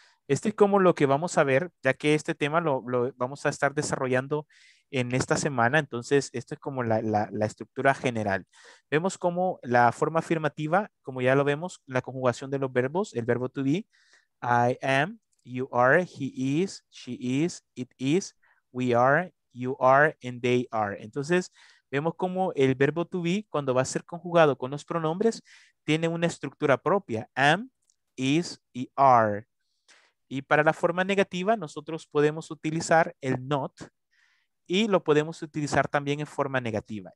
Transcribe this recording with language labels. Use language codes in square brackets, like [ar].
[es] Este es como lo que vamos a ver, ya que este tema lo vamos a estar desarrollando en esta semana. Entonces, esto es como la estructura general. Vemos como la forma afirmativa, como ya lo vemos, la conjugación de los verbos, el verbo to be. [en] I am, you are, he is, she is, we are, you are, and they are. [es] Entonces, vemos como el verbo to be, cuando va a ser conjugado con los pronombres, tiene una estructura propia. Am, is, y are. Y para la forma negativa, nosotros podemos utilizar el not y lo podemos utilizar también en forma negativa.